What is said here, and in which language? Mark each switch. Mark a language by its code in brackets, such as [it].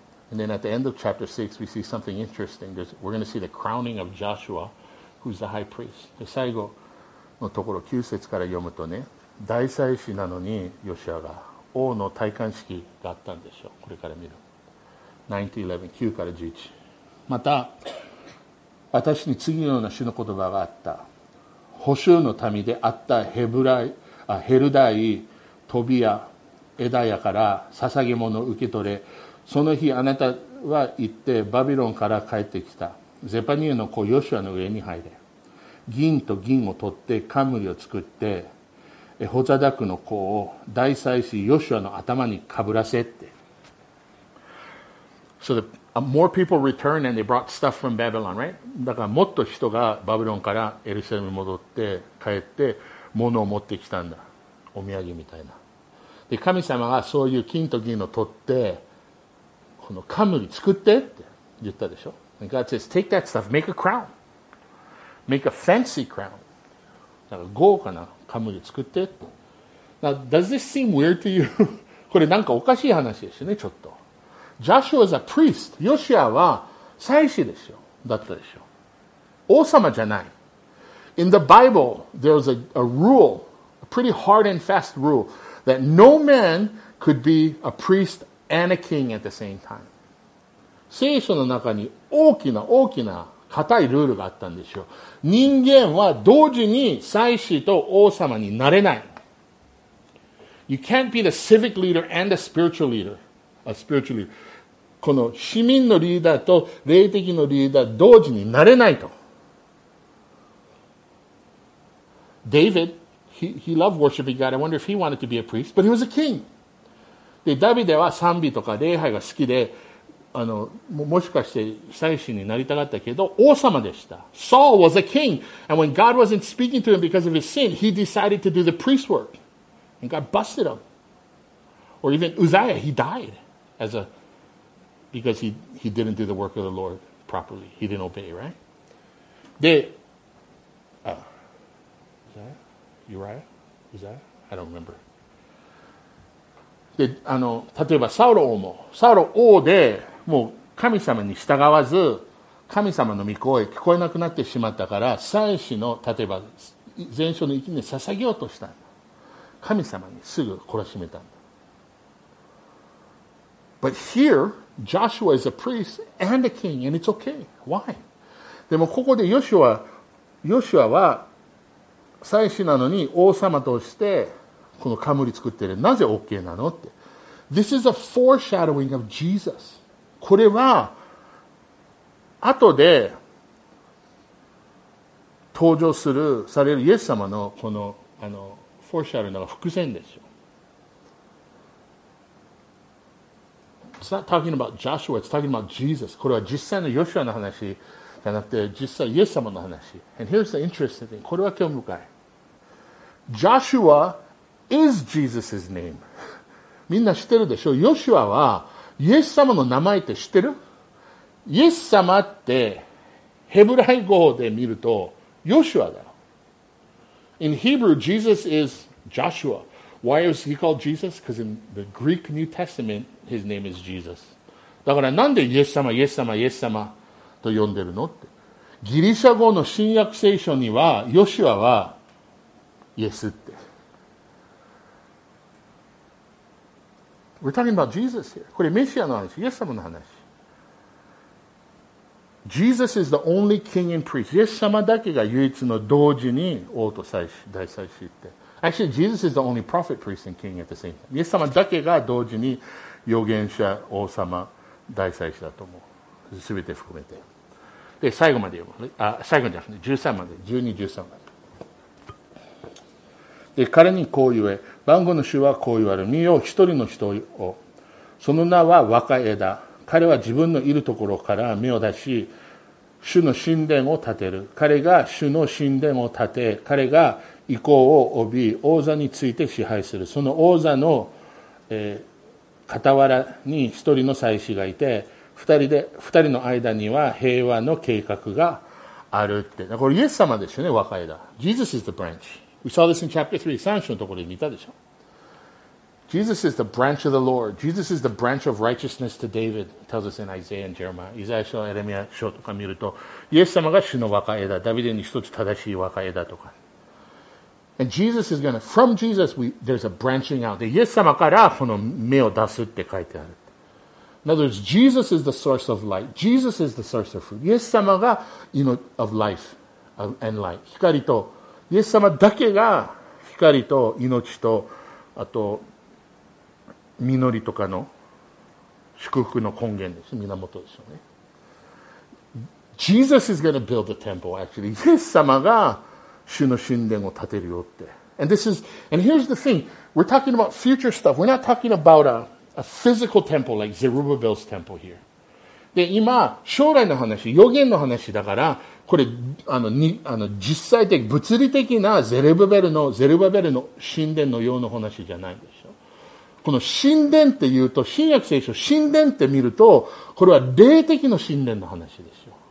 [en] And then at the end of chapter 6, we see something interesting. We're going to see the crowning of Joshua, who's the high priest. [ja] で最後のところ、9節から読むとね、大祭司なのにヨシアが王の戴冠式があったんでしょう。これから見る。 9-11。また、私に次のような主の言葉があった。捕囚の民であったヘルダイ、トビア、エダヤから捧げ物を受け取れ、その日あなたは行ってバビロンから帰ってきた。ゼパニエの子ヨシュアの上に入れ。銀と銀を取って冠を作って、エホザダクの子を大祭司ヨシュアの頭にかぶらせって。 [en] So the more people returned and they brought stuff from Babylon, right? [ja] だからもっと人がバビロンからエルサレムに戻って帰って物を持ってきたんだ。お土産みたいな。で神様がそういう金と銀を取ってこの冠作ってって言ったでしょ。 [en] God says, take that stuff, make a crown. Make a fancy crown. [ja] だから豪華な冠作ってって。 [en] Now, does this seem weird to you? [ja] これなんかおかしい話ですよね、ちょっと。 Joshua is a priest. ヨシアは祭司でしょ。だったでしょ。王様じゃない。 [en] In the Bible, there was a rule, a pretty hard and fast rule. That no man could be a priest and a king at the same time. [ja] 聖書の中に大きな大きな固いルールがあったんですよ。人間は同時に祭司と王様になれない。 [en] You can't be the civic leader and a spiritual leader. A spiritual leader. [ja] この市民のリーダーと霊的のリーダー同時になれないと。 [en] David. He loved worshiping God. I wonder if he wanted to be a priest, but he was a king. [ja] で、ダビデは賛美とか礼拝が好きで、もしかして祭司になりたかったけど、王様でした。 [en] Saul was a king, and when God wasn't speaking to him because of his sin, he decided to do the priest work, and God busted him. Or even Uzziah, he died as a because he didn't do the work of the Lord properly. He didn't obey, right? [ja] で、 [en] Uriah? Is that? I don't remember. [ja] で、例えばサウロ王も、サウロ王でもう神様に従わず、神様の御声聞こえなくなってしまったから、祭司の例えば前哨の息に捧げようとしたんだ。神様にすぐ懲らしめたんだ。 [en] But here, Joshua is a priest and a king, and it's okay. Why? [ja] でもここでヨシュアは、祭司なのに王様としてこの冠作ってる。なぜ OK なのって。 [en] This is a foreshadowing of Jesus. [ja] これは後で登場する、されるイエス様のこの、 foreshadowing の伏線でしょ。 [en] It's not talking about Joshua, it's talking about Jesus. [ja] これは実際のヨシュアの話じゃなくて実際イエス様の話。 [en] And here's the interesting thing. [ja] これは興味深い。 [en] Joshua is Jesus' name. [ja] みんな知ってるでしょ。ヨシュアはイエス様の名前って知ってる？イエス様ってヘブライ語で見るとヨシュアだよ。 [en] In Hebrew, Jesus is Joshua. Why is he called Jesus? Because in the Greek New Testament, his name is Jesus. [ja] だからなんでイエス様、イエス様、イエス様と呼んでるのって。ギリシャ語の新約聖書にはヨシュアはイエスって。 [en] We're talking about Jesus here. [ja] これメシアの話、イエス様の話。 [en] Jesus is the only king and priest. [ja] イエス様だけが唯一の同時に王と祭司、大祭司って。 [en] Actually, Jesus is the only prophet, priest, and king at the same time. [ja] イエス様だけが同時に預言者、王様、大祭司だと思う。すべて含めて。で、最後まで読む。あ、最後じゃなくて、13まで。12、13まで。で彼にこう言え、万軍の主はこう言われ、見よ、一人の人を、その名は若枝、彼は自分のいるところから芽を出し、主の神殿を建てる。彼が主の神殿を建て、彼が意向を帯び、王座について支配する。その王座の、傍らに一人の祭司がいて、二人の間には平和の計画があるって。だからイエス様ですよね、若枝。 [en] Jesus is the branch. We saw this in chapter 3, [ja] 3章のところで見たでしょ。 [en] Jesus is the branch of the Lord. Jesus is the branch of righteousness to David, tells us in Isaiah and Jeremiah. [ja] イザヤ書、エレミア書とか見ると、イエス様が主の若枝、ダビデに一つ正しい若枝とか。 [en] And Jesus is going to, from Jesus, we, there's a branching out. [ja] イエス様からこの芽を出すって書いてある。 [en] In other words, Jesus is the source of light. Jesus is the source of fruit. [ja] イエス様が、 [en] you know, of life and light. [ja] 光と、イエス様だけが光と命と、あと、実りとかの祝福の根源です。源ですよね。 [en] Jesus is going to build the temple, actually. [ja] イエス様が主の神殿を建てるよって。 [en] And this is, and here's the thing. We're talking about future stuff. We're not talking about a physical temple like Zerubbabel's temple here. [ja] で、今、将来の話、予言の話だから、これ、実際的、物理的なゼルバベルの神殿のような話じゃないんです。この神殿って言うと、新約聖書、神殿って見ると、これは霊的の神殿の話ですよ。